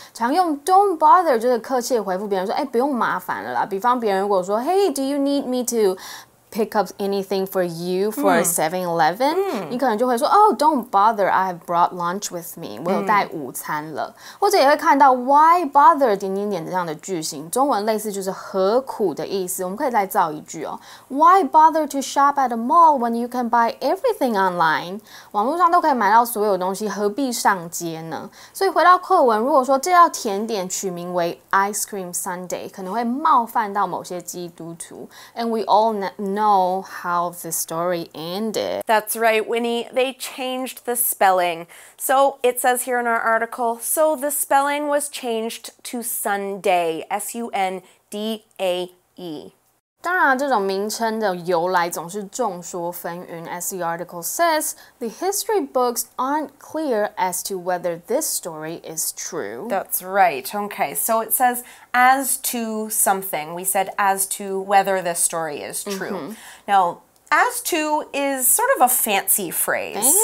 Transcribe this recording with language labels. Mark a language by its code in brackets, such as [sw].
[zh] 常用 don't bother 就是客气回复别人说、欸、不用麻烦了啦。比方别人如果说 [en] Hey, do you need me to pick up anything for you for 7-Eleven?、 [zh] 你可能就会说 [en] Oh, don't bother, I have brought lunch with me. [zh] 我有带午餐了。或者也会看到 why bother 点点点这样的句型。中文类似就是何苦的意思。我们可以再造一句哦。 [en] Why bother to shop at a mall when you can buy everything online? [zh] 网络上都可以买到所有东西，何必上街呢？所以回到课文，如果说这道甜点取名为 Ice Cream Sundae, 可能会冒犯到某些基督徒。 [en] And we all know how the story ended. That's right, Winnie. They changed the spelling. So it says here in our article, so the spelling was changed to Sunday, S-U-N-D-A-E. [zh] 当然、啊、这种名称的由来总是众说纷纭。 [en] As the article says, the history books aren't clear as to whether this story is true. That's right. Okay, so it says as to something. We said as to whether this story is true. Now, as to is sort of a fancy phrase.